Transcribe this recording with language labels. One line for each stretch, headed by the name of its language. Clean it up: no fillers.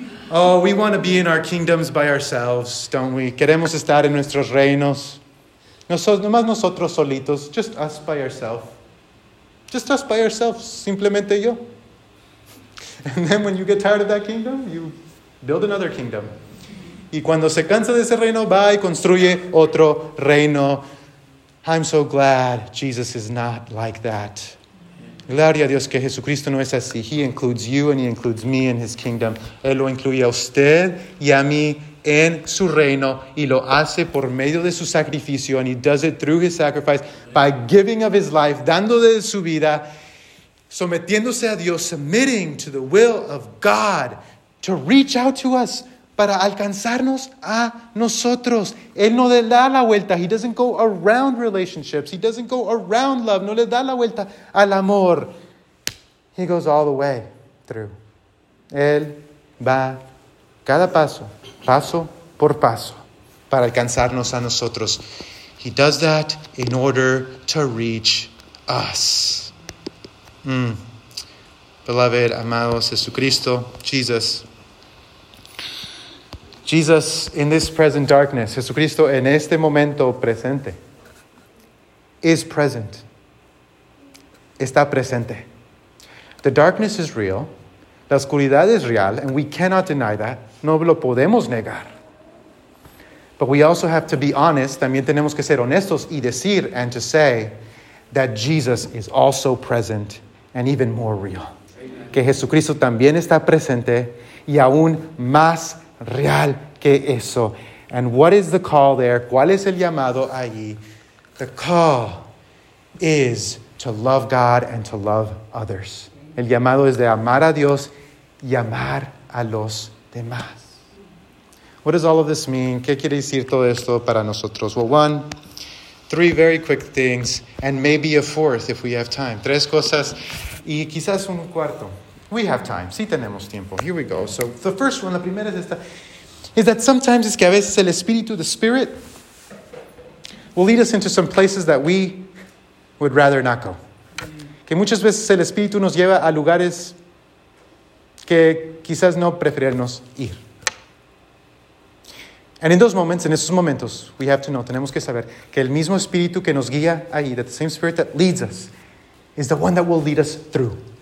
English: Oh, we want to be in our kingdoms by ourselves, don't we?
Spanish: Queremos estar en nuestros reinos. Nomás nosotros solitos.
English: Just us by ourselves. Just us by ourselves.
Spanish: Simplemente yo.
English: And then when you get tired of that kingdom, you build another kingdom.
Spanish: Y cuando se cansa de ese reino, va y construye otro reino.
English: I'm so glad Jesus is not like that.
Spanish: Gloria a Dios que Jesucristo no es así.
English: He includes you and he includes me in his kingdom.
Spanish: Él lo incluye a usted y a mí en su reino y lo hace por medio de su sacrificio,
English: and he does it through his sacrifice by giving of his life,
Spanish: dando de su vida, sometiéndose a Dios,
English: submitting to the will of God to reach out to us,
Spanish: para alcanzarnos a nosotros. Él no le da la vuelta.
English: He doesn't go around relationships. He doesn't go around love.
Spanish: No le da la vuelta al amor.
English: He goes all the way through.
Spanish: Él va cada paso, paso por paso, para alcanzarnos a nosotros.
English: He does that in order to reach us. Beloved, amados, Jesucristo, Jesus. Jesus, in this present darkness, Jesucristo,
Spanish: en este momento presente,
English: is present.
Spanish: Está presente.
English: The darkness is real.
Spanish: La oscuridad es real,
English: and we cannot deny that.
Spanish: No lo podemos negar.
English: But we also have to be honest.
Spanish: También tenemos que ser honestos y decir,
English: and to say, that Jesus is also present and even more real.
Spanish: Amen. Que Jesucristo también está presente y aún más real que eso.
English: And what is the call there?
Spanish: ¿Cuál es el llamado allí?
English: The call is to love God and to love others.
Spanish: El llamado es de amar a Dios y amar a los demás.
English: What does all of this mean?
Spanish: ¿Qué quiere decir todo esto para nosotros?
English: Well, one, three very quick things, and maybe a fourth if we have time.
Spanish: Tres cosas y quizás un cuarto.
English: We have time.
Spanish: Sí tenemos tiempo.
English: Here we go. So the first one,
Spanish: la primera es esta,
English: is that sometimes
Spanish: es que a veces el espíritu,
English: the spirit, will lead us into some places that we would rather not go.
Spanish: Que muchas veces el espíritu nos lleva a lugares que quizás no preferirnos ir.
English: And in those moments,
Spanish: en esos momentos,
English: we have to know,
Spanish: tenemos que saber, que el mismo espíritu que nos guía ahí,
English: that the same spirit that leads us, is the one that will lead us through.